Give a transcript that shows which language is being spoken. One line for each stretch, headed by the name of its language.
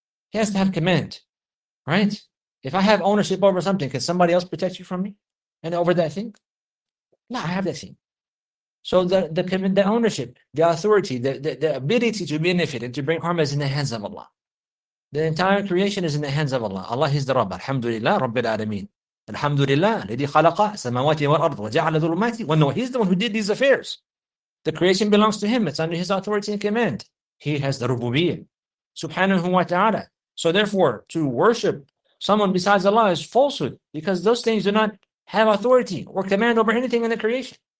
English: He has to have command, right? If I have ownership over something, can somebody else protect you from me and over that thing? No, I have that thing. So the ownership, the authority, the ability to benefit and to bring harm is in the hands of Allah. The entire creation is in the hands of Allah. Allah is the Rabb. Alhamdulillah, Rabbil Alameen.
Arabic: Alhamdulillah, الذي خلق السماوات والأرض وجعل الظلمات والنور.
English: He's the one who did these affairs. The creation belongs to him. It's under his authority and command. He has the rububiyyah. Subhanahu wa ta'ala. So therefore, to worship someone besides Allah is falsehood, because those things do not have authority or command over anything in the creation.